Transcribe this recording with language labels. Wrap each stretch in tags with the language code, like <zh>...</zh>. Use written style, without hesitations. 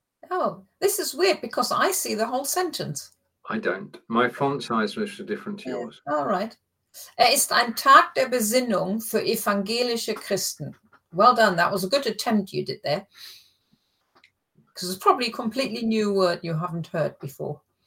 <en>Oh, this is weird because I see the whole sentence. I don't. My font size was different to yours. All right.</en> <de>Er ist ein Tag der Besinnung für evangelische Christen.</de> <en>Well done. That was a good attempt you did there. Because it's probably a completely new word you haven't heard before.</en>